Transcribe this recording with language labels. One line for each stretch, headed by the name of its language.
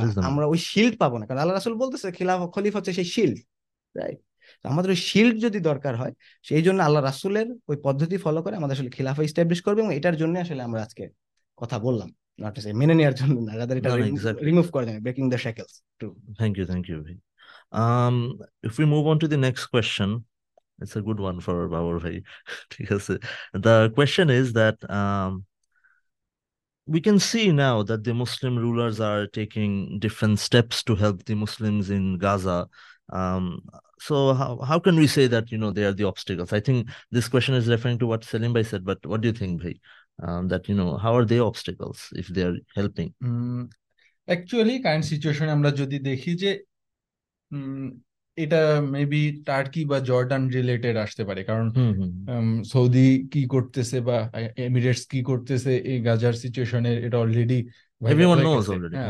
Bangla: আমরা ওই শিল্ড পাবো না। কারণ আল্লাহ রাসূল বলতেছে খিলাফা খলিফা হচ্ছে সেই শিল্ড, রাইট? আমাদের ওই শিল্ড যদি দরকার হয়, সেই জন্য আল্লাহ রাসূলের ওই পদ্ধতি ফলো করে আমাদের আসলে খিলাফা এস্টাবলিশ করবে, এবং এটার জন্য আসলে আমরা আজকে কথা বললাম, নট সে মেনে নেওয়ার জন্য না, রাদার এটা রিমুভ করার জন্য, breaking the shekels.
English: Thank you, thank you. If we move on to the next question, it's a good one for Babur Bhai. The question is that we can see now that the Muslim rulers are taking different steps to help the Muslims in Gaza. So how can we say that, they are the obstacles? I think this question is referring to what Salim Bhai said, but what do you think, Bhai? How are they obstacles if they are helping? Actually, current situation,
Bangla: amra jodi dekhi je, এটা maybe turkey বা Jordan related আসতে পারে, কারণ Saudi কি করতেছে বা Emirates কি করতেছে এই গাজার সিচুয়েশনে, এটা অলরেডি
English: everyone knows already,